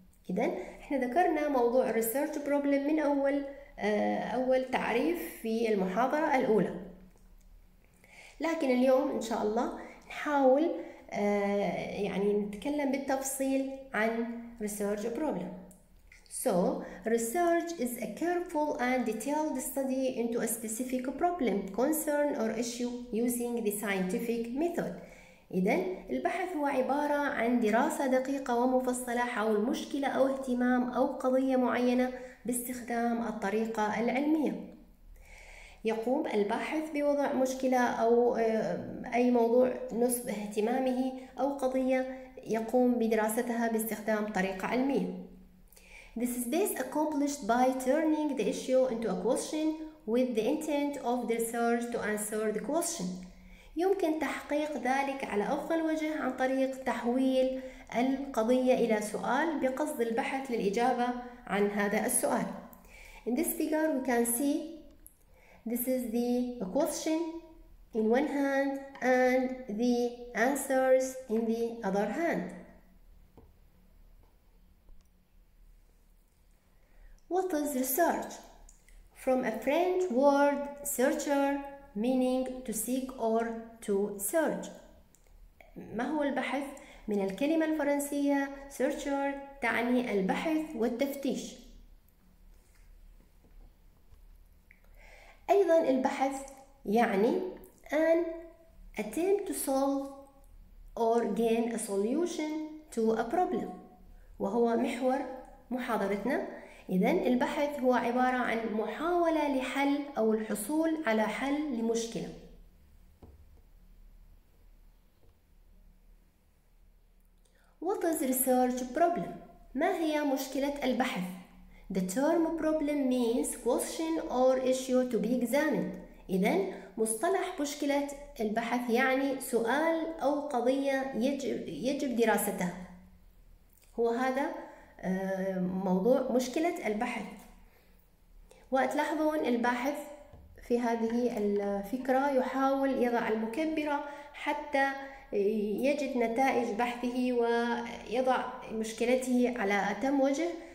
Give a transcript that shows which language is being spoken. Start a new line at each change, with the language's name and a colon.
Arabic: إذن احنا ذكرنا موضوع research problem من اول تعريف في المحاضرة الاولى، لكن اليوم ان شاء الله نحاول يعني نتكلم بالتفصيل عن research problem.
English: So research is a careful and detailed study into a specific problem, concern or issue using the scientific method.
Arabic: إذن البحث هو عبارة عن دراسة دقيقة ومفصلة حول مشكلة أو اهتمام أو قضية معينة باستخدام الطريقة العلمية. يقوم الباحث بوضع مشكلة أو أي موضوع نصب اهتمامه أو قضية يقوم بدراستها باستخدام طريقة علمية.
English: This is best accomplished by turning the issue into a question with the intent of the research to answer the question.
Arabic: يمكن تحقيق ذلك على أفضل وجه عن طريق تحويل القضية إلى سؤال بقصد البحث للإجابة عن هذا السؤال.
English: In this figure we can see this is the question in one hand and the answers in the other hand. What is research? From a French word searcher meaning to seek or to search.
Arabic: ما هو البحث؟ من الكلمة الفرنسية searcher تعني البحث والتفتيش. أيضا البحث يعني
English: an attempt to solve or gain a solution to a problem،
Arabic: وهو محور محاضرتنا. إذن البحث هو عبارة عن محاولة لحل أو الحصول على حل لمشكلة.
English: What is research problem؟
Arabic: ما هي مشكلة البحث؟
English: The term problem means question or issue to be examined.
Arabic: إذن مصطلح مشكلة البحث يعني سؤال أو قضية يجب دراستها. هو هذا موضوع مشكلة البحث. وتلاحظون الباحث في هذه الفكرة يحاول يضع المكبرة حتى يجد نتائج بحثه ويضع مشكلته على أتم وجه.